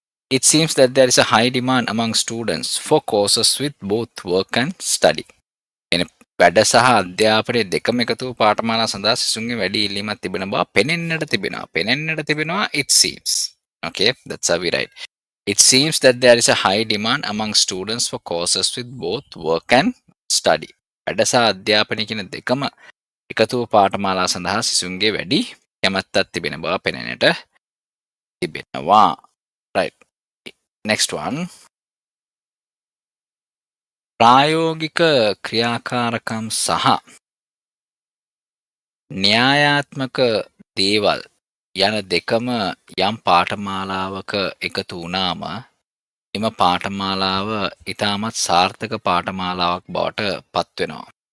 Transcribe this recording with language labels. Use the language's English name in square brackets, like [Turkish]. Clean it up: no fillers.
[English] It seems that there is a high demand among students for courses with both work and study. [Sinhala] In වැඩ සහ අධ්‍යාපනය දෙකම එකතු වූ පාඨමාලා සඳහා සිසුන්ගේ වැඩි ඉල්ලීමක් තිබෙන බව පෙනෙන්නට තිබෙනවා. පෙනෙන්නට තිබෙනවා [English] it seems. Okay, that's how we write. It seems that there is a high demand among students for courses with both work and study. [Sinhala] වැඩ සහ අධ්‍යාපනය කියන දෙකම එකතු වූ පාඨමාලා සඳහා සිසුන්ගේ වැඩි කැමැත්තක් තිබෙන බව පෙනෙන්නට තිබෙනවා. [English] Right. Next one. [Sinhala] ප්‍රායෝගික ක්‍රියාකාරකම් සහ න්‍යායාත්මක දේවල් යන දෙකම යම් පාඨමාලාවක එකතු වුණාම එම පාඨමාලාව ඉතාමත් සාර්ථක පාඨමාලාවක් බවට පත් වෙනවා.